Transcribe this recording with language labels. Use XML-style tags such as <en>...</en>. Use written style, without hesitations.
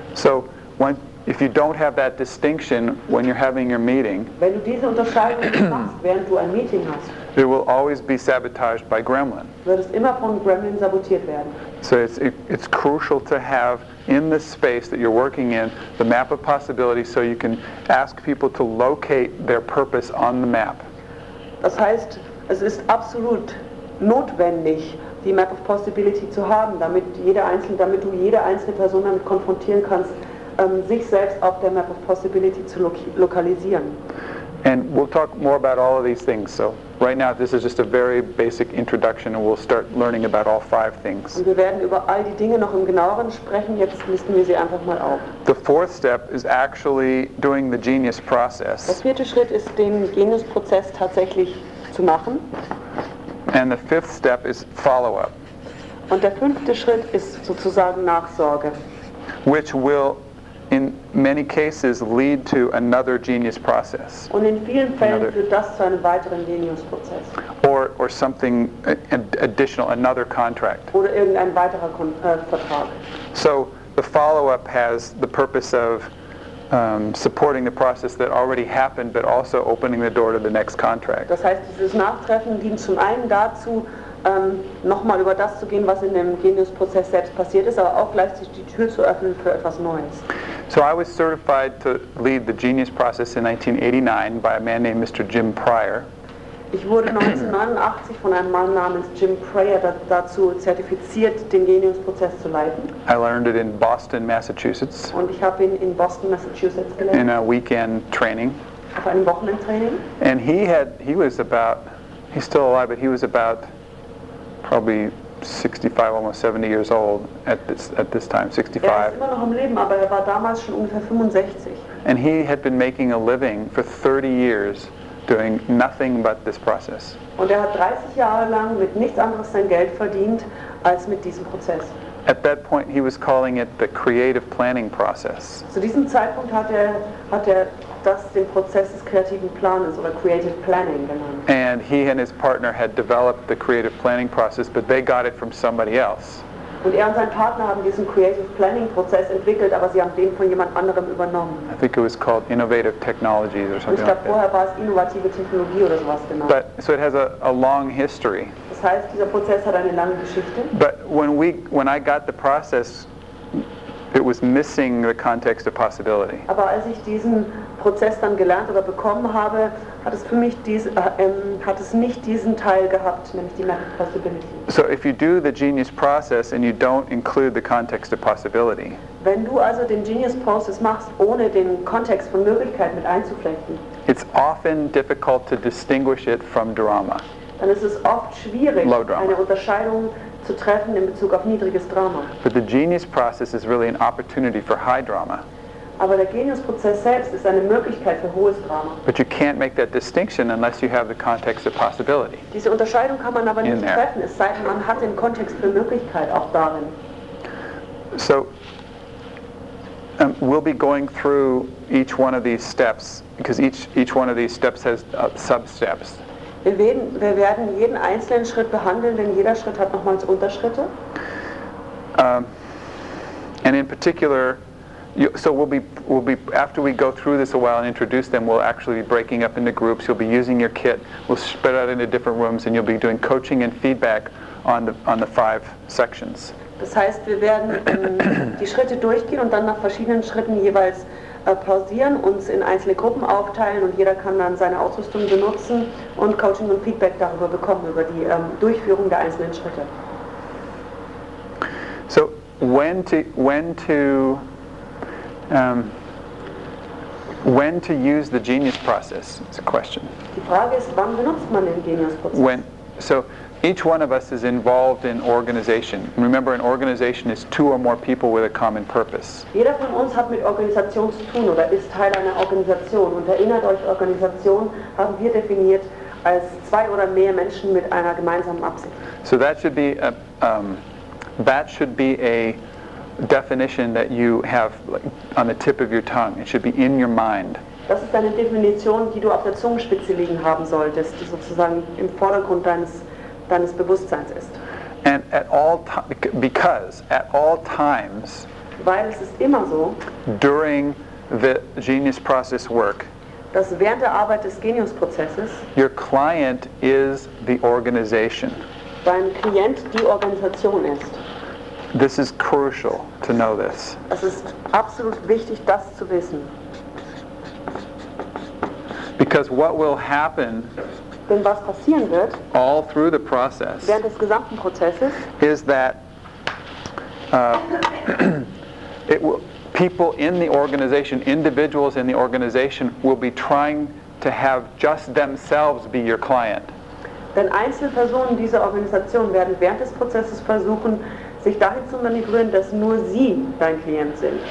<en>So, if you don't have that distinction when you're having your meeting,</en> <de>wenn du diese Unterscheidung nicht machst, während du ein Meeting hast,</de> <en>it will always be sabotaged by Gremlin.</en> <de>Wird es immer von Gremlin sabotiert werden.</de> <en>So it's crucial to have in the space that you're working in the map of possibility, so you can ask people to locate their purpose on the map.</en> <de>Das heißt, es ist absolut notwendig, die Map of Possibility zu haben, damit du jede einzelne Person damit konfrontieren kannst, sich selbst auf der Map of Possibility zu lokalisieren.</de> <en>And we'll talk more about all of these things. So right now this is just a very basic introduction, and we'll start learning about all 5 things.</en> <de>Und wir werden über all die Dinge noch im Genaueren sprechen. Jetzt listen wir sie einfach mal auf.</de> <en>The fourth step is actually doing the genius process.</en> <de>Der vierte Schritt ist, den Genius-Prozess tatsächlich zu machen.</de> <en>And the fifth step is follow-up.</en> <de>Und der fünfte Schritt ist sozusagen Nachsorge.</de> <en>Which will in many cases lead to another genius process.</en> <de>Und in vielen Fällen führt das zu einem weiteren Genius-Prozess.</de> <en>or something additional, another contract.</en> <de>Oder irgendein weiterer Vertrag.</de> <en>So the follow-up has the purpose of supporting the process that already happened, but also opening the door to the next contract.</en> <de>Das heißt, dieses Nachtreffen dient zum einen dazu, nochmal über das zu gehen, was in dem Genius-Prozess selbst passiert ist, aber auch gleichzeitig die Tür zu öffnen für etwas Neues.</de> <en>So I was certified to lead the Genius process in 1989 by a man named Mr. Jim Pryor.</en> <de>Ich wurde 1989 von einem Mann namens Jim Pryor dazu zertifiziert, den Genius-Prozess zu leiten.</de> <en>I learned it in Boston, Massachusetts.</en> <de>Und ich habe ihn in Boston, Massachusetts gelernt.</de> <en>In a weekend training.</en> <de>Auf einem Wochenendtraining.</de> <en>And he's still alive, but he was about probably 65, almost 70 years old at this time, 65.</en> <de>Er ist immer noch im Leben, aber er war damals schon ungefähr 65.</de> <en>And he had been making a living for 30 years doing nothing but this process.</en> <de>Und hat 30 Jahre lang mit nichts anderes sein Geld verdient als mit diesem Prozess.</de> <en>At that point he was calling it the creative planning process.</en> <de>Zu diesem Zeitpunkt hat er das den Prozess des kreativen Planens oder creative planning genannt.</de> <en>And he and his partner had developed the creative planning process, but they got it from somebody else.</en> <de>Und er und sein Partner haben diesen creative planning Prozess entwickelt, aber sie haben den von jemand anderem übernommen.</de> <en>I think it was called innovative technologies or something.</en> <de>Ich glaube, vorher war es innovative Technologie oder sowas genannt.</de> <en>But so it has a long history.</en> <de>Das heißt, dieser Prozess hat eine lange Geschichte.</de> <en>But when I got the process, it was missing the context of possibility.</en> <de>Aber als ich diesen Prozess dann gelernt oder bekommen habe, hat es für mich nicht diesen Teil gehabt, nämlich die Method Possibility.</de> <en>So if you do the Genius process and you don't include the context of possibility.</en> <de>Wenn du also den Genius process machst, ohne den Kontext von Möglichkeit mit einzuflechten.</de> <en>It's often difficult to distinguish it from drama.</en> <de>Dann ist es oft schwierig,</de> <en>low drama,</en> <de>eine Unterscheidung zu treffen in Bezug auf niedriges Drama.</de> <en>But the Genius process is really an opportunity for high drama.</en> <de>Aber der Genius-Prozess selbst ist eine Möglichkeit für hohes Drama.</de> <en>But you can't make that distinction unless you have the context of possibility.</en> <de>Diese Unterscheidung kann man aber nicht treffen, es sei denn, man hat den Kontext für Möglichkeit auch darin.</de> <en>So, we'll be going through each one of these steps, because each one of these steps has sub-steps.</en> <de>Wir werden jeden einzelnen Schritt behandeln, denn jeder Schritt hat nochmals Unterschritte.</de> <en>And in particular, so we'll be after we go through this a while and introduce them, we'll actually be breaking up into groups. You'll be using your kit. We'll spread out into different rooms, and you'll be doing coaching and feedback on the five sections.</en> <de>Das heißt, wir werden die Schritte durchgehen und dann nach verschiedenen Schritten jeweils pausieren, uns in einzelne Gruppen aufteilen und jeder kann dann seine Ausrüstung benutzen und Coaching und Feedback darüber bekommen, über die Durchführung der einzelnen Schritte.</de> <en>So when to when to use the Genius process is a question.</en> <de>Die Frage ist, wann benutzt man den Genius-Prozess?</de> <en>So each one of us is involved in organization. Remember, an organization is two or more people with a common purpose.</en> <de>Jeder von uns hat mit Organisation zu tun oder ist Teil einer Organisation. Und erinnert euch, Organisation haben wir definiert als zwei oder mehr Menschen mit einer gemeinsamen Absicht.</de> <en>So that should be a definition that you have on the tip of your tongue. It should be in your mind.</en> <de>Das ist eine Definition, die du auf der Zungenspitze liegen haben solltest, die sozusagen im Vordergrund deines Bewusstseins ist.</de> <en>And at all because at all times,</en> <de>weil es ist immer so,</de> <en>during the Genius process work,</en> <de>dass während der Arbeit des Genius-Prozesses,</de> <en>your client is the organization.</en> <de>Dein Klient die Organisation ist.</de> <en>This is crucial to know this.</en> <de>Es ist absolut wichtig, das zu wissen.</de> <en>Because what will happen,</en> <de>denn was passieren wird,</de> <en>all through the process,</en> <de>während des gesamten Prozesses,</de> <en>is that it will, people in the organization, individuals in the organization, will be trying to have just themselves be your client.</en> <de>Denn Einzelpersonen dieser Organisation werden während des Prozesses versuchen, sich dahin zu manövrieren, dass nur sie dein Klient sind.</de>